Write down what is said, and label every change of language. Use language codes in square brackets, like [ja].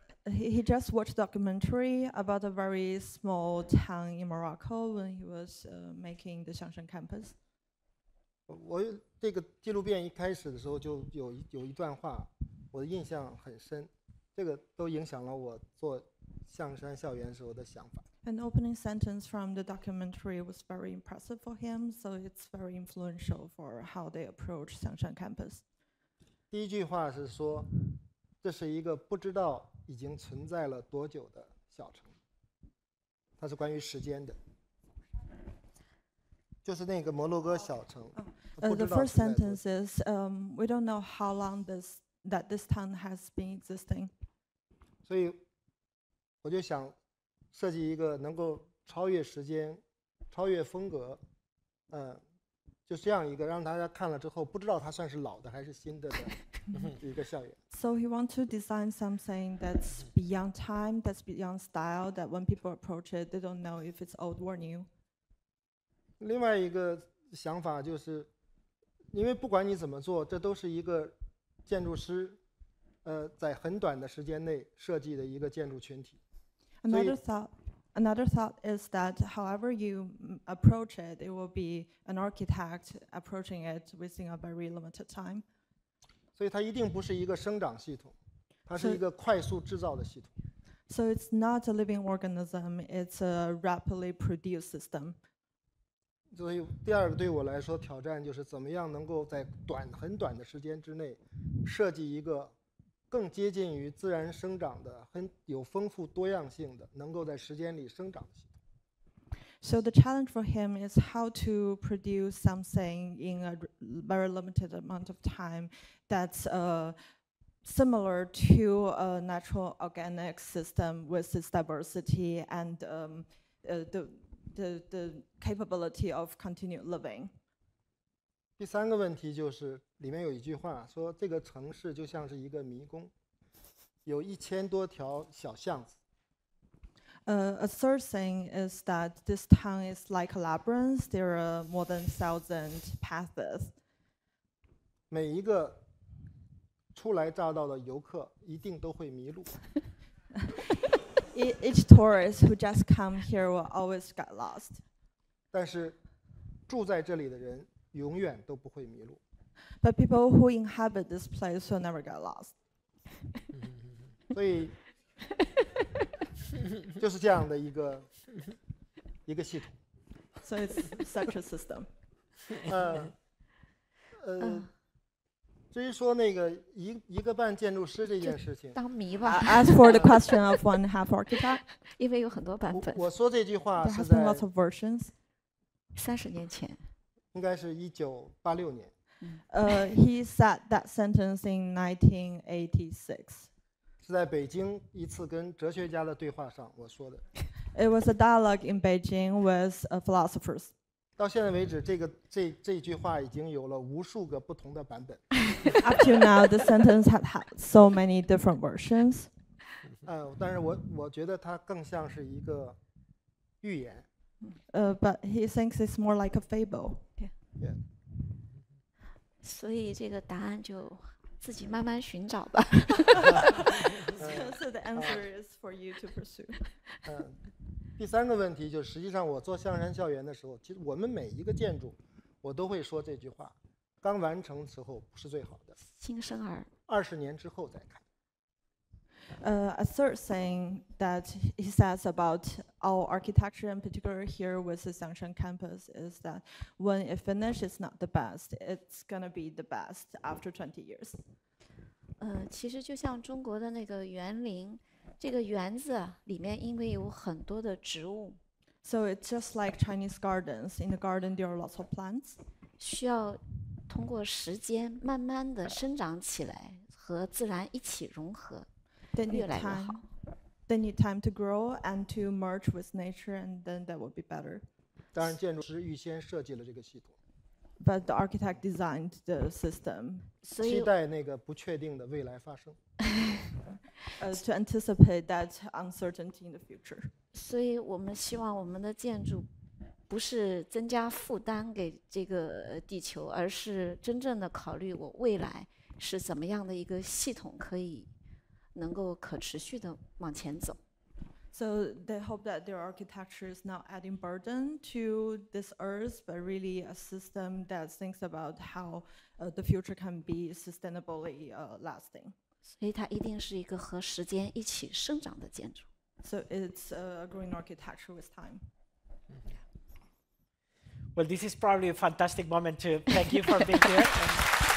[en] He just watched documentary about a very small town in Morocco when he was making the Xiangshan campus. [zh] 我这个纪录片一开始的时候就有一段话。我的印象很深，这个都影响了我做象山校园时候的想法。 [en] An opening sentence from the documentary was very impressive for him, so it's very influential for how they approach 象山 campus. [zh] 第一句话是说，这是一个不知道已经存在了多久的小城。它是关于时间的，就是那个摩洛哥小城。 [en] The first sentence is, we don't know how long this town has been existing. [zh] 所以我就想设计一个能够超越时间、超越风格，就这样一个让大家看了之后不知道它算是老的还是新的一个校园。 [en] So he wants to design something that's beyond time, that's beyond style, that when people approach it, they don't know if it's old or new. [zh] 另外一个想法就是，因为不管你怎么做，这都是一个建筑师，在很短的时间内设计的一个建筑群体。 [en] Another thought is that however you approach it, it will be an architect approaching it within a very limited time. [zh] 所以它一定不是一个生长系统，它是一个快速制造的系统。 [en] So it's not a living organism, it's a rapidly produced system. [zh] 所以第二个对我来说挑战就是怎么样能够在短很短的时间之内设计一个更接近于自然生长的很有丰富多样性的能够在时间里生长的系统。 [en] So the challenge for him is how to produce something in a very limited amount of time that's similar to a natural organic system with its diversity and the capability of continued living. [zh] 第三个问题就是里面有一句话说这个城市就像是一个迷宫有一千多条小巷子。 [en] A third thing is that this town is like a labyrinth. There are more than 1,000 paths. [zh] 每一个初来乍到的游客一定都会迷路。 [en] Each tourist who just come here will always get lost. [zh] 但是住在这里的人永远都不会迷路。 [en] But people who inhabit this place will never get lost. [zh] 所以就是这样的一个系统。 [en] So it's such a system. [zh] 至于说那个一个半建筑师这件事情，当迷吧。 [en] As for the question of one half architect, [zh] 因为有很多版本。我说这句话是 [en] 在 lots of versions. [zh] 30年前，应该是1986年。 [en] He said that sentence in 1986. [zh] 是在北京一次跟哲学家的对话上我说的。 [en] It was a dialogue in Beijing with philosophers. [zh] 到现在为止，这句话已经有了无数个不同的版本。 [en] Up to now, the sentence had had so many different versions. [zh] 但是我觉得它更像是一个预言。 [en] But he thinks it's more like a fable. Yeah. [zh] 所以这个答案就自己慢慢寻找吧。 [en] So the answer is for you to pursue. [zh] 第三个问题就是实际上我做象山校园的时候其实我们每一个建筑我都会说这句话刚完成时候不是最好的新生儿 20年之后再看。 [en] A third thing that he says about our architecture in particular here with the Xiangshan campus is that when it finishes it's not the best, it's going to be the best after 20 years. [zh] 其实就像中国的那个园林这个园子里面因为有很多的植物 [en] So it's just like Chinese gardens. In the garden, there are lots of plants. [zh] 需要通过时间慢慢地生长起来和自然一起融合越来越好 [en] They need time to grow and to merge with nature and then that will be better. [zh] 当然建筑师预先设计了这个系统 [en] But the architect designed the system. [zh] 期待那个不确定的未来发生 [en] To anticipate that uncertainty in the future. [zh] 所以我们希望我们的建筑不是增加负担给这个地球，而是真正的考虑我未来是怎么样的一个系统可以能够可持续的往前走。 [en] So they hope that their architecture is not adding burden to this earth, but really a system that thinks about how the future can be sustainably lasting. [zh] 所以它一定是一个和时间一起生长的建筑。 [en] So it's a green architecture with time. Well, this is probably a fantastic moment to thank you for being here.